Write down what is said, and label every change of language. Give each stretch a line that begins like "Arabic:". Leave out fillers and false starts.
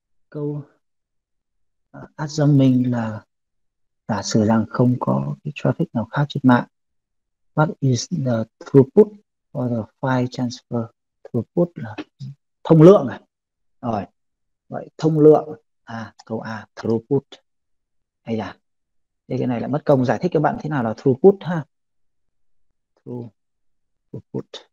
Vietnamese: câu Adam mình là giả sử rằng không có cái traffic nào khác trên mạng.
English: What is the throughput or the file transfer?
Vietnamese: Throughput là thông lượng này. Rồi. Vậy thông lượng à, câu A throughput. Hay là thế cái này lại mất công giải thích cho bạn thế nào là throughput ha. Throughput.